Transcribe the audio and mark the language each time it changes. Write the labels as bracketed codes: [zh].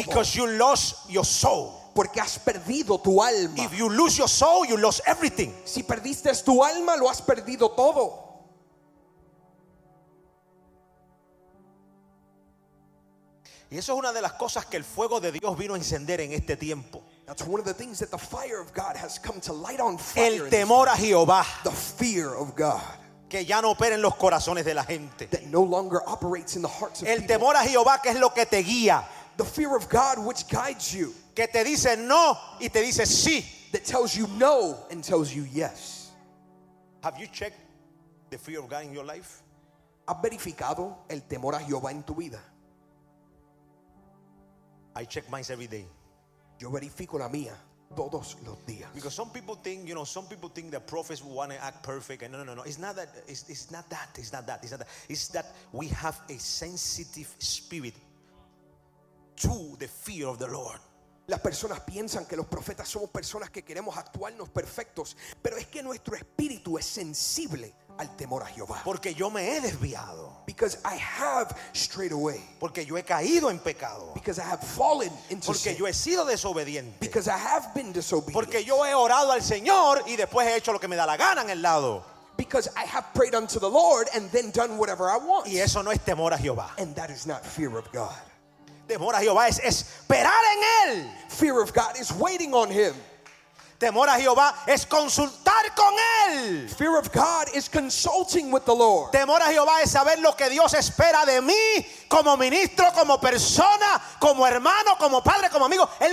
[en] Because you lost your soul. [es] Porque has perdido tu alma. [en] If you lose your soul, you lost everything. [es] Si perdiste tu alma, lo has perdido todo. Y eso es una de las cosas que el fuego de Dios vino a encender en este tiempo. [en] That's one of the things that the fire of God has come to light on fire. [es] El temor a Jehová. [en] The fear of God. [es] Que ya no opera en los corazones de la gente. [en] That no longer operates in the hearts of [es] people. El temor a Jehová, que es lo que te guía. [en] The fear of God which guides you. [es] Que te dice no y te dice sí. [en] That tells you no and tells you yes. Have you checked the fear of God in your life? [es] ¿Has verificado el temor a Jehová en tu vida? [en] I check mine every day. [es] Yo verifico la mía todos los días. [en] Because some people think, you know, some people think that prophets want to act perfect. And no. It's not that. It's that we have a sensitive spirit to the fear of the Lord. [es] Las personas piensan que los profetas somos personas que queremos actuarnos perfectos, pero es que nuestro espíritu es sensible al temor a Jehová. Porque yo me he desviado. [en] Because I have strayed away. [es] Porque yo he caído en pecado. [en] Because I have fallen into sin. [es] Porque yo he sido desobediente. [en] Because I have been disobedient. [es] Porque yo he orado al Señor y después he hecho lo que me da la gana en el lado. [en] Because I have prayed unto the Lord and then done whatever I want. [es] Y eso no es temor a Jehová. [en] And that is not fear of God. [es] Temor a Jehová es esperar en él. [en] Fear of God is waiting on him. [es] Temor a Jehová es consultar con él. [en] Fear of God is consulting with the Lord. [es] Temor a Jehová es saber lo que Dios espera de mí como ministro, como persona, como hermano, como padre, como amigo.